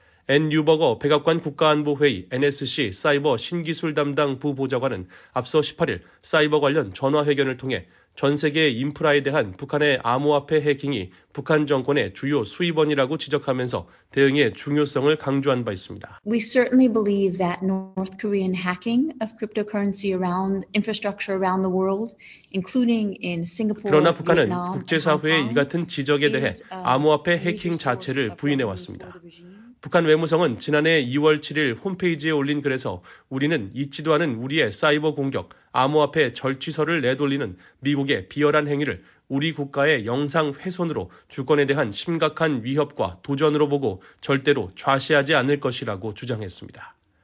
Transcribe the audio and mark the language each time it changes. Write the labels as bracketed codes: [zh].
[ko] 앤 뉴버거 백악관 국가안보회의 NSC 사이버 신기술 담당 부보좌관은 앞서 18일 사이버 관련 전화회견을 통해 전 세계 인프라에 대한 북한의 암호화폐 해킹이 북한 정권의 주요 수입원이라고 지적하면서 대응의 중요성을 강조한 바 있습니다. [en] We certainly believe that North Korean hacking of cryptocurrency around infrastructure around the world, including in Singapore. [ko] 그러나 북한은 국제사회의 이 같은 지적에 대해 암호화폐 해킹 자체를 부인해왔습니다. 북한 외무성은 지난해 2월 7일 홈페이지에 올린 글에서 우리는 잊지도 않은 우리의 사이버 공격, 암호화폐 절취설을 내돌리는 미국의 비열한 행위를 우리 국가의 영상 훼손으로 주권에 대한 심각한 위협과 도전으로 보고 절대로 좌시하지 않을 것이라고 주장했습니다.